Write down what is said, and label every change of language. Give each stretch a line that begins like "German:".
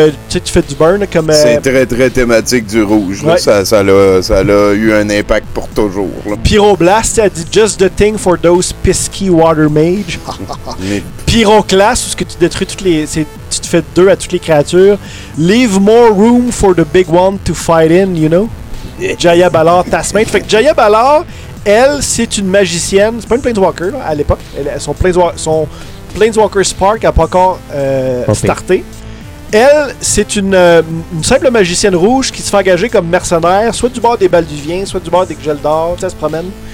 French: Tu fais du burn comme. C'est très très thématique du rouge. Ouais. Là, ça l'a eu un impact pour toujours. Là. Pyroblast, elle dit
English: just the thing for those pesky water mage.
French: Pyroclast, où que tu détruis toutes les. C'est, tu te fais deux à toutes les créatures.
English: Leave more room for the big one to fight in, you know?
French: Jaya Balor, Tasmate. Fait que Jaya Balor, elle, c'est une magicienne. C'est pas une Planeswalker là, à l'époque. Son Planeswalker Spark n'a pas encore starté. Elle, c'est une simple magicienne rouge qui se fait engager comme mercenaire, soit du bord des Balduviens, soit du bord des Gjeldar, tu sais, elle se promène.